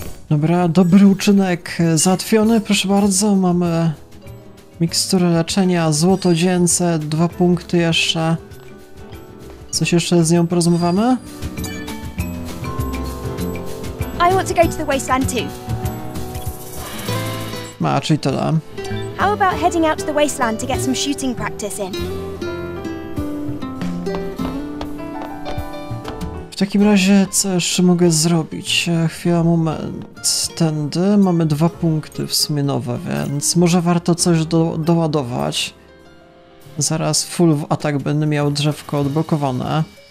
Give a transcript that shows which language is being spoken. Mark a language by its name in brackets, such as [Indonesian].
[Polish] Dobra, dobry uczynek załatwiony, proszę bardzo, mamy miksturę leczenia, złotodzieńce, 2 punkty jeszcze. Coś jeszcze z nią porozmawiamy? [English] I want to go to the wasteland too. [Polish] Ma, czyli to da. [English] How about heading out to the wasteland to get some shooting practice in? [Polish] W takim razie, co jeszcze mogę zrobić? Chwila, moment. Tędy mamy 2 punkty w sumie nowe, więc może warto coś doładować. Zaraz full w atak będę miał drzewko odblokowane.